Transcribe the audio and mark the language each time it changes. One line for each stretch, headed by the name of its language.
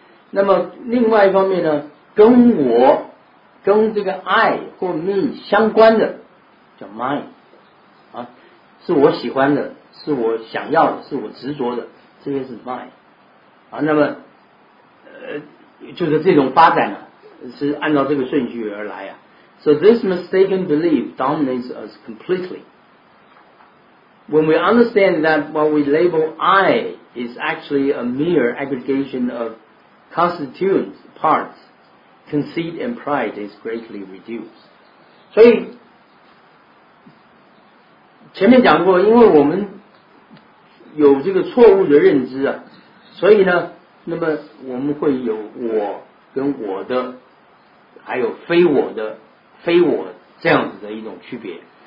Chinese: 那么另外一方面呢，跟我跟这个 I 或 me 相关的叫 mine 啊，是我喜欢的，是我想要的，是我执着的，这些是 mine 啊。那么就是这种发展啊，是按照这个顺序而来啊。
English: So this mistaken belief dominates us completely. When we understand that what we label I is actually a mere aggregation of constituent parts, conceit and pride is greatly reduced.
Chinese: 所以前面讲过，因为我们有这个错误的认知啊，所以呢，那么我们会有我跟我的，还有非我的，非我这样子的一种区别。